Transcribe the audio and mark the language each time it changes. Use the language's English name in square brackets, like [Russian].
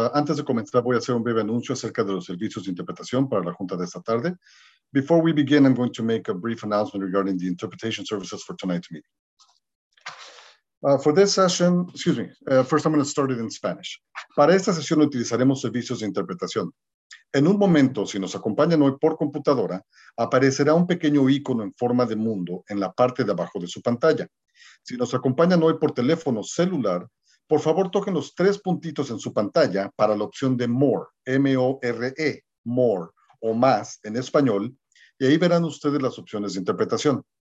[Spanish] Antes de comenzar, voy a hacer un breve anuncio acerca de los servicios de interpretación para la junta de esta tarde. [English] Before we begin, I'm going to make a brief announcement regarding the interpretation services for tonight's meeting. For this session, first I'm going to start it in Spanish. [Spanish] Para esta sesión utilizaremos servicios de interpretación. En un momento, si nos acompañan hoy por computadora, aparecerá un pequeño icono en forma de mundo en la parte de abajo de su pantalla. Si nos acompañan hoy por teléfono celular, por favor toquen los tres puntitos en su pantalla para la opción de More, M-O-R-E, More, o Más en español, y ahí verán ustedes las opciones de interpretación.